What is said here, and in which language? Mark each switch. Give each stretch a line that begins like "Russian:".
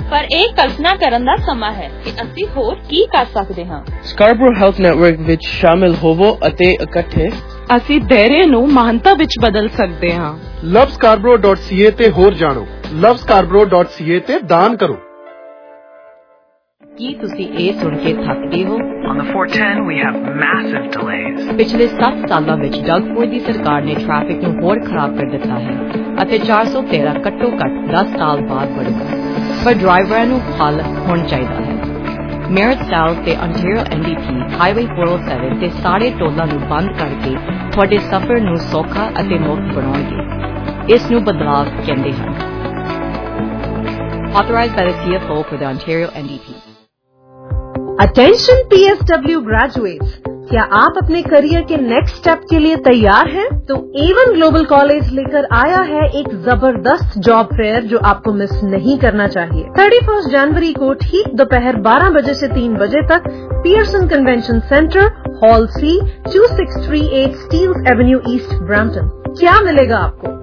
Punjabi: ਪਰ ਇਹ ਕਲਪਨਾ ਕਰਨ ਦਾ ਸਮਾਂ ਹੈ ਕਿ ਅਸੀਂ ਹੋਰ ਕੀ ਕਰ ਸਕਦੇ ਹਾਂ. ਸਕਾਰਬਰੋ ਹੈਲਥ ਨੈਟਵਰਕ ਵਿੱਚ ਸ਼ਾਮਿਲ ਹੋਵੋ ਅਤੇ ਇਕੱਠੇ ਅਸੀਂ ਦਹਿਰੇ ਨੂੰ ਮਹਾਨਤਾ ਵਿੱਚ ਬਦਲ ਸਕਦੇ ਹਾਂ. lovescarborough.ca ਤੇ ਹੋਰ ਜਾਣੋ. lovescarborough.ca ਤੇ ਦਾਨ ਕਰੋ. ਕੀ ਤੁਸੀਂ ਇਹ ਸੁਣ ਕੇ ਥੱਕਦੇ ਹੋ?
English: On the 410, we have massive delays.
Punjabi: ਪਿਛਲੇ 7 ਸਾਲਾਂ ਵਿੱਚ ਡਗਪੁਰ ਦੀ ਸਰਕਾਰ ਨੇ ਟ੍ਰੈਫਿਕ ਨੂੰ ਹੋਰ ਖਰਾਬ ਕਰ ਦਿੱਤਾ ਹੈ ਅਤੇ 413 ਘੱਟੋ ਘੱਟ 10 ਸਾਲ ਬਾਅਦ ਬਣੇਗਾ. ਪਰ ਡਰਾਈਵਰਾਂ ਨੂੰ ਹੱਲ ਹੋਣ ਚਾਹੀਦਾ ਹੈ. ਮੈਰਿਟ ਸਾਊਥ ਤੇ ਅੰਟੇਰੀਓ ਐਨਡੀਪੀ ਹਾਈਵੇ 407 ਤੇ ਸਾਰੇ ਟੋਲਾਂ ਨੂੰ ਬੰਦ ਕਰਕੇ ਤੁਹਾਡੇ ਸਫ਼ਰ ਨੂੰ ਸੌਖਾ ਅਤੇ ਮੁਫ਼ਤ ਬਣਾਉਣਗੇ. ਇਸ ਨੂੰ ਬਦਲਾਵ ਕਹਿੰਦੇ ਹਨ.
English: Authorized by the CFO for the Ontario NDP. Attention PSW graduates.
Hindi: क्या आप अपने करियर के नेक्स्ट स्टेप के लिए तैयार हैं? तो A1 ग्लोबल कॉलेज लेकर आया है एक जबरदस्त जॉब फेयर जो आपको मिस नहीं करना चाहिए. 31 जनवरी को ठीक दोपहर 12 बजे से 3 बजे तक पियर्सन कन्वेंशन सेंटर हॉल सी 2638 स्टील्स एवेन्यू ईस्ट ब्रैम्पटन. क्या मिलेगा आपको?